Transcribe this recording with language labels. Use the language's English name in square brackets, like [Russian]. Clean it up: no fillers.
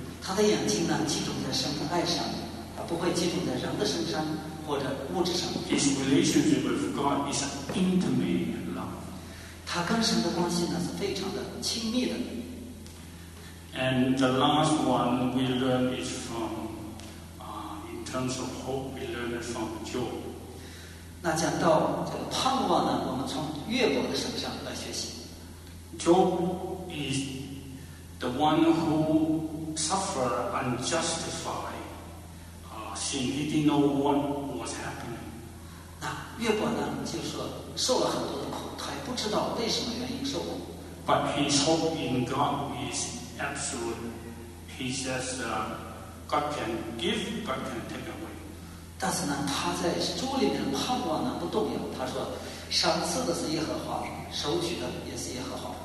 [Chinese] 他的眼睛呢，集中在神的爱上，而不会集中在人的身上或者物质上。 [English] His relationship with God is an intimate love. [Chinese] 他跟神的关系呢，是非常的亲密的。 [English] And the last one we learn is from, in terms of hope, we learn it from joy. [Chinese] 那讲到这个盼望呢，我们从约伯的身上来学习。 [English] Job is the one who suffered unjustified sin. He didn't know what was happening. [Chinese] 那约伯呢，就是说受了很多的苦，他也不知道为什么原因受苦。 [English] But his hope in God is absolute. He says, God can give, God can take away. [Chinese] 但是呢，他在主里面盼望呢不动摇。他说：“赏赐的是耶和华，收取的也是耶和华。